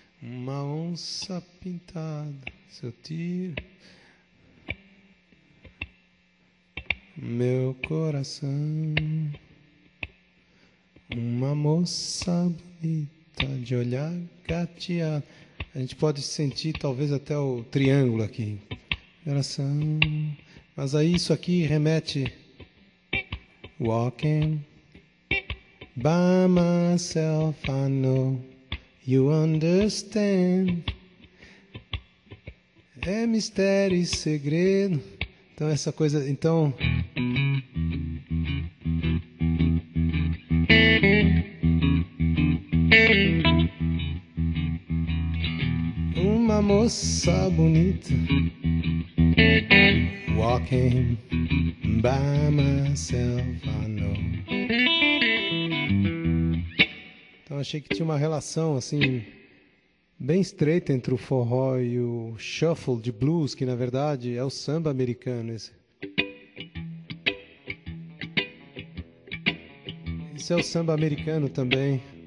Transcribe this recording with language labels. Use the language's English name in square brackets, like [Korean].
[Portuguese] Uma onça pintada, se eu tiro meu coração. Uma moça bonita de olhar gateado. A gente pode sentir talvez até o triângulo aqui. Coração. Mas aí isso aqui remete. [English] Walking by myself, I know you understand. [Portuguese] É mistério e segredo. Então essa coisa. Então. Uma moça bonita. [English] Walking by myself, I know. [Portuguese] Então achei que tinha uma relação assim bem estreita entre o forró e o shuffle de blues, que na verdade é o samba americano. Esse é o samba americano também.